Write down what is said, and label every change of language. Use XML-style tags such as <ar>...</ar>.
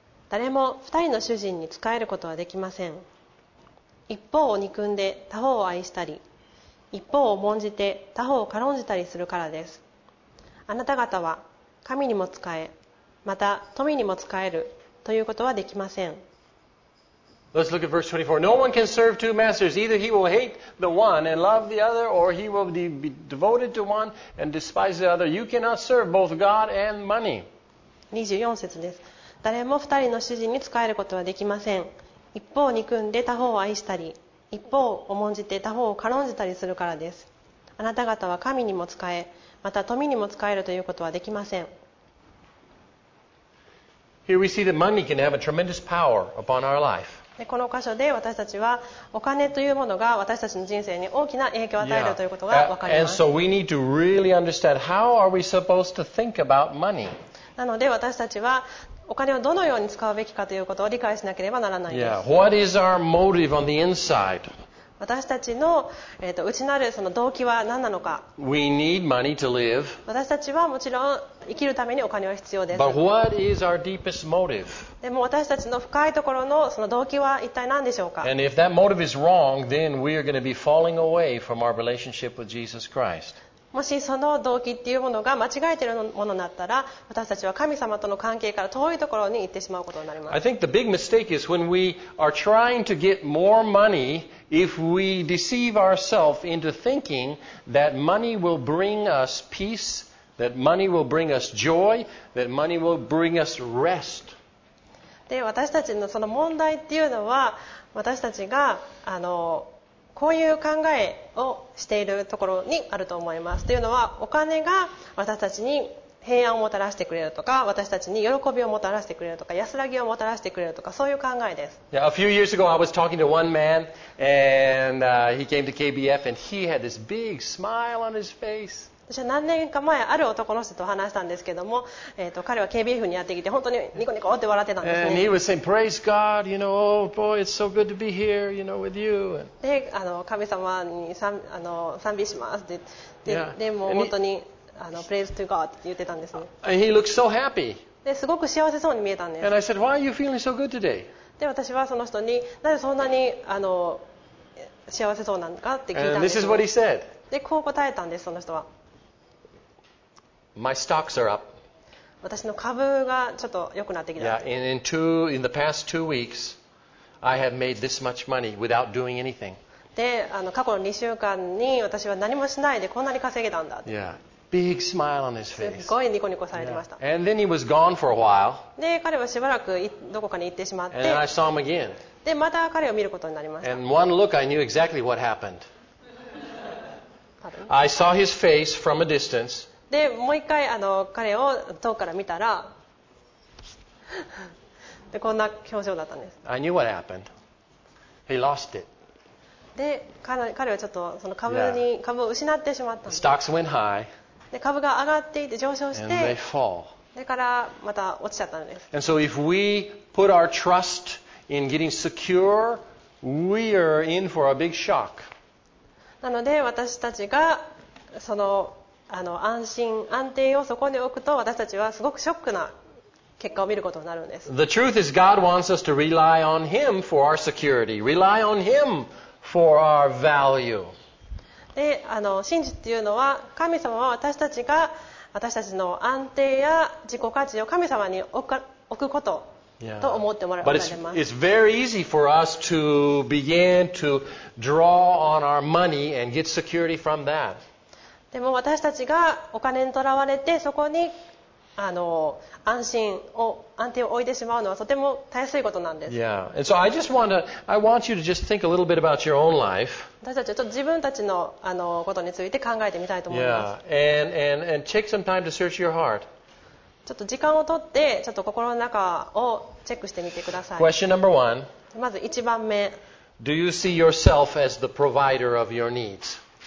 <ja>誰も二人の主人に仕えることはできません。一方を憎んで他方を愛したり、一方を重んじて他方を軽んじたりするからです。あなた方は神にも仕え、また富にも使えるということはできません。</ja> <en>Let's look at verse 24. No one can serve two masters. Either he will hate the one and love the other, or he will be devoted to one and despise the other. You cannot serve both God and money.</en> <ja>24節です。誰も二人の主人に使えることはできません。一方を憎んで他方を愛したり、一方を重んじて他方を軽んじたりするからです。あなた方は神にも使え、また富にも使えるということはできません。</ja> <en>Here we see that money can have a tremendous power upon our life.</en> <ja>この箇所で私たちはお金というものが私たちの人生に大きな影響を与えるということが分かります。</ja> <en>And so we need to really understand how are we supposed to think about money.</en> <ja>なので私たちはお金をどのように使うべきかということを理解しなければならないです。</ja> <en>Yeah. What is our motive on the inside?</en> <ja>私たちの、内なるその動機は何なのか。</ja> <en>We need money to live.</en> <ja>私たちはもちろん生きるためにお金は必要です。</ja> <en>But what is our deepest motive?</en> <ja>でも私たちの深いところのその動機は一体何でしょうか。</ja> <en>And if that motive is wrong, then we are going to be falling away from our relationship with Jesus Christ.</en> <ja>もしその動機っていうものが間違えているものになったら、私たちは神様との関係から遠いところに行ってしまうことになります。</ja> <en>I think the big mistake is when we are trying to get more money, if we deceive ourselves into thinking that money will bring us peace. That money will bring us joy, that money will bring us rest.</en> <ja>で、私たちのその問題っていうのは、私たちがあのこういう考えをしているところにあると思います。というのは、お金が私たちに平安をもたらしてくれるとか、私たちに喜びをもたらしてくれるとか、安らぎをもたらしてくれるとか、そういう考えです。</ja> <en>Yeah, a few years ago, I was talking to one man, and he came to KBF, and he had this big smile on his face.</en> <ja>私は何年か前ある男の人と話したんですけども、彼は KBF にやってきて本当にニコニコって笑ってたんですね。</ja> <en>And he was saying, "Praise God, you know, oh boy, it's so good to be here, you know, with you."</en> <ja>で、あの神様にあの賛美しますで、yeah. でも本当に</ja> <en>he,</en> <ja>あの</ja> <en>Praise to God</en> <ja>って言ってたんですね。</ja> <en>And he looked so happy.</en> <ja>で、すごく幸せそうに見えたんです。</ja> <en>And I said, "Why are you feeling so good today?"</en> <ja>で、私はその人になぜそんなにあの幸せそうなのかって聞いたんです。</ja> <en>And this is what he said.</en> <ja>で、こう答えたんです、その人は。</ja> <en>My stocks are up.</en> <ja>私の株がちょっと良くなってきた。</ja> <en>Yeah, in the past two weeks, I have made this much money without doing anything.</en> <ja>で、あの過去の2週間に私は何もしないでこんなに稼げたんだ。</ja> <en>Yeah, big smile on his face.</en> <ja>すごいニコニコされてました。</ja> <en>Yeah. And then he was gone for a while.</en> <ja>で、彼はしばらくどこかに行ってしまって。</ja> <en>And I saw him again. で、また彼を見ることになりました。 And one look, I knew exactly what happened. I saw his face from a distance.</en> <ja>で、もう一回あの彼を遠くから見たらで、こんな表情だったんです。</ja> <en>I knew what happened. He lost it.</en> <ja>で彼はちょっとその 株を失ってしまったんです。</ja> <en>Stocks went high.</en> <ja>で株が上がっていて上昇して</ja> <en>And they fall.</en> <ja>でからまた落ちちゃったんです。</ja> <en>And so if we put our trust in getting secure, we are in for a big shock.</en> <ja>なので私たちがその安心安定をそこに置くと私たちはすごくショックな結果を見ることになるんです。</ja> <en>The truth is God wants us to rely on Him for our security. Rely on Him for our value.</en> <ja>で、真実っていうのは神様は私たちが私たちの安定や自己価値を神様に置くことと思ってもらえます。</ja> <en>But it's very easy for us to begin to draw on our money and get security from that.</en> <ja>でも私たちがお金にとらわれてそこに安心を安定を置いてしまうのはとてもたやすいことなんです。</ja> <en>Yeah. And so I just want to, I want you to just think a little bit about your own life.</en> <ja>私たちはちょっと自分たちの、ことについて考えてみたいと思います。</ja> <en>Yeah. And take some time to search your heart.</en> <ja>ちょっと時間を取ってちょっと心の中をチェックしてみてください。</ja> <en>Question number one.</en> <ja>まず一番目。</ja> <en>Do you see yourself as the provider of your needs?</en>